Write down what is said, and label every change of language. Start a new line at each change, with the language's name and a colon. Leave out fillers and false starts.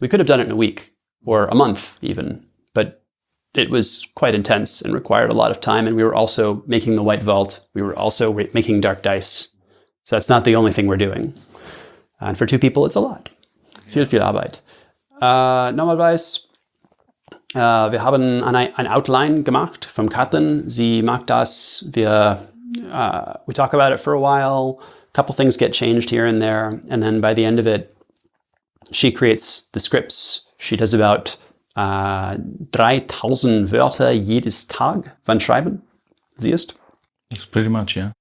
English: We could have done it in a week or a month even, but it was quite intense and required a lot of time. And we were also making The White Vault. We were also making Dark Dice. So that's not the only thing we're doing. And for two people, it's a lot. Yeah.
German: Viel, viel Arbeit. Normalerweise, wir haben ein Outline gemacht von Katrin. Sie macht das.
English: We talk about it for a while. A couple things get changed here and there. And then by the end of it, she creates the scripts. She does about 3,000
German: Wörter jedes Tag von Schreiben. Siehst?
English: It's pretty much, yeah.